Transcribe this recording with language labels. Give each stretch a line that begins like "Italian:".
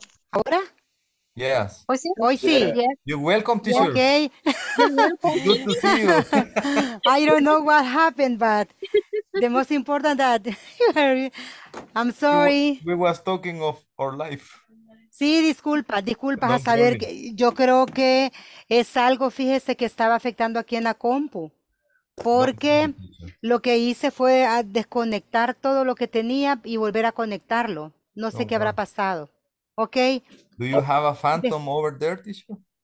Spanish: ¿Ahora?
English: Yes.
Spanish: Hoy sí. Hoy sí.
English: Yeah. You're welcome, teacher. Okay. Good to see you. I don't know what happened, but the most important that I'm sorry. We was talking of our life.
Spanish: Sí, disculpa, disculpa. A saber, yo creo que es algo, fíjese, que estaba afectando aquí en la compu. Porque lo que hice fue a desconectar todo lo que tenía y volver a conectarlo. No sé qué habrá pasado. ¿Ok?
English: Do you have a phantom over there, Tisha?